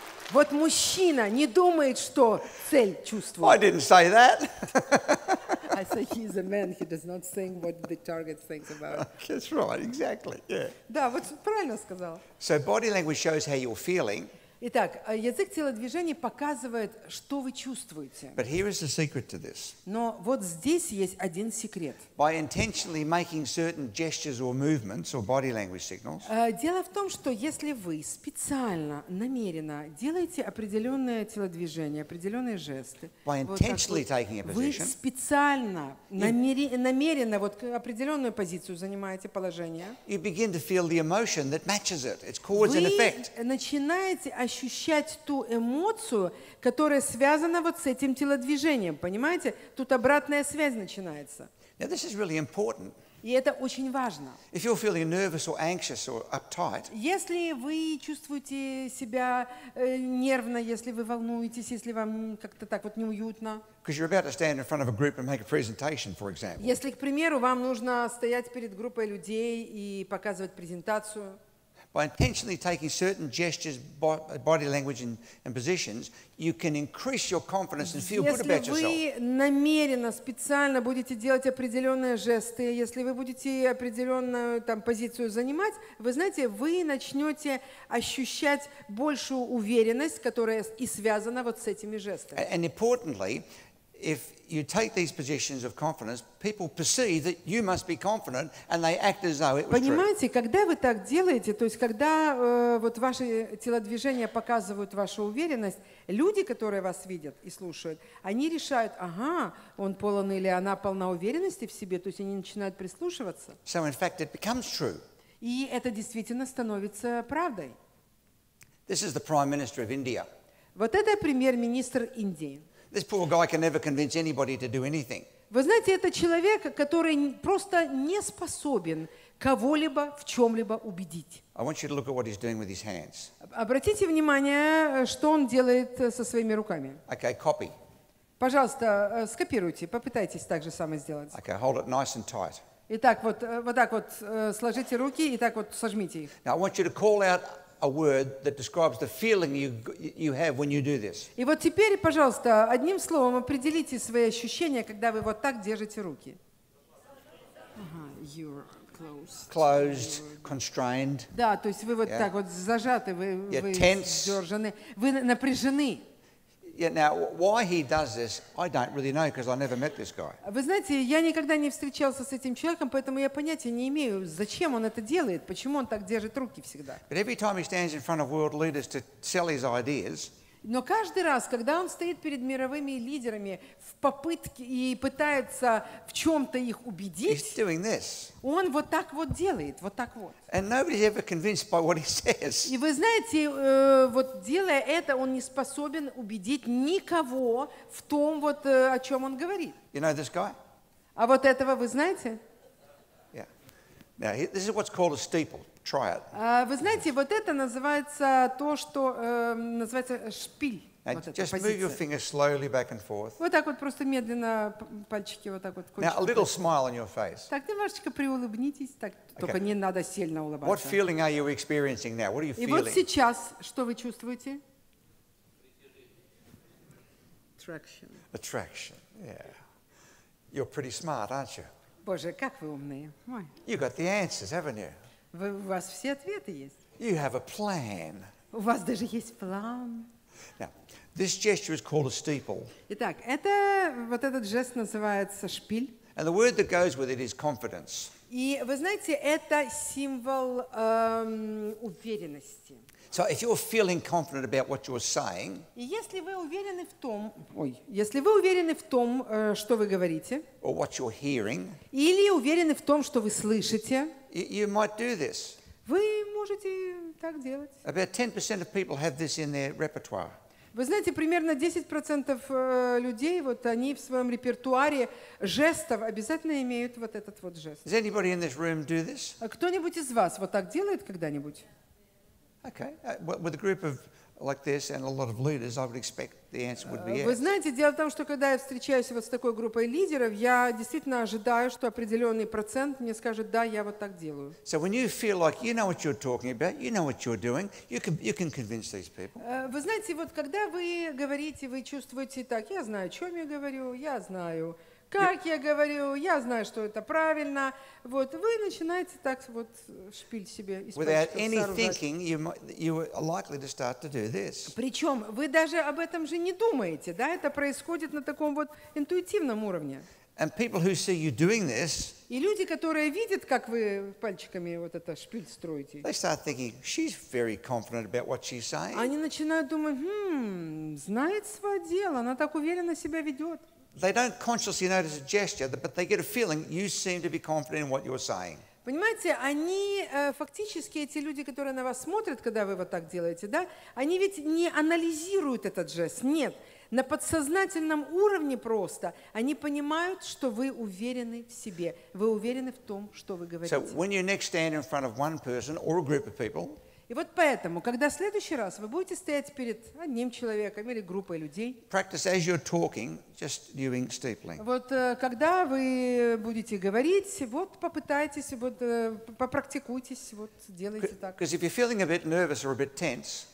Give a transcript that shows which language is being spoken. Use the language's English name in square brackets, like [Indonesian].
[Russian] Вот мужчина не думает, что цель чувствует. [English] I didn't say that. I say he's a man, he does not think what the target thinks about. That's right, exactly, yeah. [Russian] Да, вот правильно сказала. [English] So body language shows how you're feeling. [Russian] Итак, язык телодвижений показывает, что вы чувствуете. [English] But here is the secret to this. [Russian] Но вот здесь есть один секрет. [English] By intentionally making certain gestures or movements or body language signals. [Russian] Дело в том, что если вы специально, намеренно делаете определенные телодвижения, определенные жесты, [English] by intentionally taking a position, [Russian] вы специально, намеренно вот определенную позицию занимаете, положение, [English] you begin to feel the emotion that matches it. It's cause and effect. [Russian] Вы начинаете ощущать ту эмоцию, которая связана вот с этим телодвижением. Понимаете? Тут обратная связь начинается. [English] Now, this is really important. [Russian] И это очень важно. [English] If you're feeling nervous or anxious or uptight, [Russian] если вы чувствуете себя нервно, если вы волнуетесь, если вам как-то так вот неуютно, [English] because you're about to stand in front of a group and make a presentation, for example. [Russian] Если, к примеру, вам нужно стоять перед группой людей и показывать презентацию, [English] by intentionally taking certain gestures, body language, and positions, you can increase your confidence and feel good about yourself. [Russian] Если вы намеренно, специально будете делать определенные жесты, если вы будете определенную там позицию занимать, вы знаете, вы начнете ощущать большую уверенность, которая и связана вот с этими жестами. [English] And importantly, if you take these positions of confidence, people perceive that you must be confident, and they act as though it was true. [Russian] Понимаете, когда вы так делаете, то есть когда вот ваши телодвижения показывают вашу уверенность, люди, которые вас видят и слушают, они решают: ага, он полон или она полна уверенности в себе, то есть они начинают прислушиваться. [English] So in fact, it becomes true. [Russian] И это действительно становится правдой. [English] This is the Prime Minister of India. [Russian] Вот это премьер-министр Индии. [English] This poor guy can never convince anybody to do anything. [Russian] Вы знаете, это человек, который просто не способен кого-либо в чем-либо убедить. [English] I want you to look at what he's doing with his hands. [Russian] Обратите внимание, что он делает со своими руками. [English] Okay, copy. [Russian] Пожалуйста, скопируйте, попытайтесь так же самое сделать. [English] Okay, hold it nice and tight. [Russian] Итак, вот, вот так вот сложите руки и так вот сожмите их. [English] Now I want you to call out a word that describes the feeling you have when you do this. [Russian] И вот теперь, пожалуйста, одним словом определите свои ощущения, когда вы вот так держите руки. [English] You're closed. Closed, constrained. [Russian] Да, то есть вы вот так вот зажаты, вы сдержаны, вы напряжены. [English] Yeah, now, why he does this, I don't really know, because I never met this guy. [Russian] Вы знаете, я никогда не встречался с этим человеком, поэтому я понятия не имею, зачем он это делает, почему он так держит руки всегда. [English] But every time he stands in front of world leaders to sell his ideas, [Russian] Но каждый раз, когда он стоит перед мировыми лидерами в попытке и пытается в чем-то их убедить, он вот так вот делает, вот так вот. [English] And nobody's ever convinced by what he says. [Russian] И вы знаете, вот делая это, он не способен убедить никого в том, вот, о чем он говорит. [English] You know this guy? [Russian] А вот этого вы знаете? [English] Yeah. Now, this is what's called a steeple. Try it. [Russian] Вы знаете, вот это называется то, что называется шпиль. [English] And [Russian] вот [English] just move [Russian] позиция. [English] Your finger slowly back and forth. [Russian] Вот так вот просто медленно пальчики вот так вот. [English] Now a little smile on your face. [Russian] Так немножечко приулыбнитесь, так okay. Только не надо сильно улыбаться. [English] What feeling are you experiencing now? What are you feeling? [Russian] И вот сейчас что вы чувствуете? [English] Attraction. Attraction. Yeah. You're pretty smart, aren't you? [Russian] Боже, как вы умные! [English] You got the answers, haven't you? [Russian] Вы, у вас все ответы есть. [English] You have a plan. [Russian] У вас даже есть план. [English] Now, this gesture is called a steeple. [Russian] Итак, это вот этот жест называется шпиль. [English] And the word that goes with it is confidence. [Russian] И вы знаете, это символ уверенности. [English] So if you're feeling confident about what you're saying, [Russian] если вы уверены в том, что вы говорите, [English] or what you're hearing, [Russian] или уверены в том, что вы слышите, [English] you might do this. [Russian] Вы можете так делать. [English] About 10% of people have this in their repertoire. [Russian] Вы знаете, примерно 10% людей, вот они в своем репертуаре жестов обязательно имеют вот этот вот жест. [English] Does anybody in this room do this? [Russian] Кто-нибудь из вас вот так делает когда-нибудь? [English] Okay, with a group of like this and a lot of leaders, I would expect the answer would be yes. [Russian] Вы знаете, дело в том, что когда я встречаюсь вот с такой группой лидеров, я действительно ожидаю, что определенный процент мне скажет: да, я вот так делаю. [English] So when you feel like you know what you're talking about, you know what you're doing, you can convince these people. [Russian] Вы знаете, вот когда вы говорите, вы чувствуете так: я знаю, о чем я говорю, я знаю, как я говорю, я знаю, что это правильно. Вот, вы начинаете так вот шпиль себе испачкать. [English] Without any thinking, you are likely to start to do this. [Russian] Причем вы даже об этом же не думаете, да? Это происходит на таком вот интуитивном уровне. [English] And people who see you doing this, [Russian] и люди, которые видят, как вы пальчиками вот это шпиль строите, [English] they start thinking, she's very confident about what she's saying. [Russian] Они начинают думать: знает свое дело, она так уверенно себя ведет. [English] They don't consciously notice a gesture, but they get a feeling you seem to be confident in what you're saying. [Russian] Понимаете, они фактически эти люди, которые на вас смотрят, когда вы вот так делаете, да? Они ведь не анализируют этот жест. Нет, на подсознательном уровне просто они понимают, что вы уверены в себе, вы уверены в том, что вы говорите. [English] So when you next stand in front of one person or a group of people. [Russian] И вот поэтому, когда в следующий раз вы будете стоять перед одним человеком или группой людей, [English] practice as you're talking, just doing steepling. [Russian] Вот когда вы будете говорить, вот попытайтесь, вот попрактикуйтесь, вот делайте так. [English] Because if you're feeling a bit nervous or a bit tense,